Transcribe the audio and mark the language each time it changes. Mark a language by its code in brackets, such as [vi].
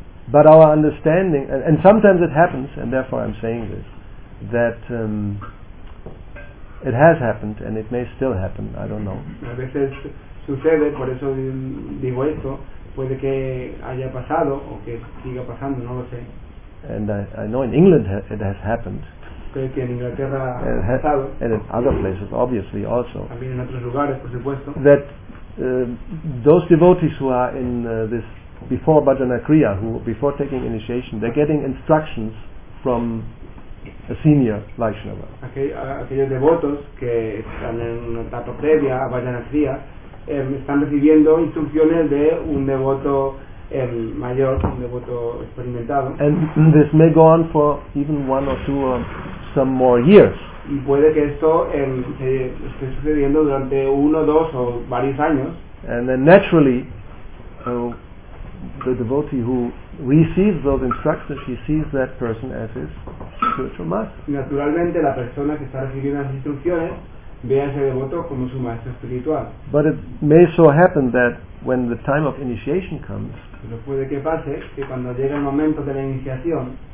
[en] But our understanding, and sometimes it happens, and therefore I'm saying this, that it has happened, and it may still happen, I don't know. [es] A veces sucede, por eso digo esto, puede que haya pasado, o que siga pasando, no lo sé. [en] And I know in England it has happened. [es] Creo que en Inglaterra ha pasado. [en] And in other places, obviously, also. [es] También en otros lugares, por supuesto. [en] That those devotees who are in this before Bhajana Kriya, who before taking initiation, they're getting instructions from a senior Vaishnava. [es] Aquellos devotos que están en una etapa previa a Bhajana Kriya están recibiendo instrucciones de un devoto mayor, un devoto experimentado. [en] And this may go on for even one or two or some more years. [es] Y puede que esto esté sucediendo durante uno, dos o varios años. [en] And then naturally, the devotee who receives those instructions, he sees that person as his spiritual master. [es] Naturalmente, la persona que está recibiendo las instrucciones ve a ese devoto como su maestro espiritual. [en] But it may so happen that when the time of initiation comes, [es] pero puede que pase que cuando llega el momento de la iniciación,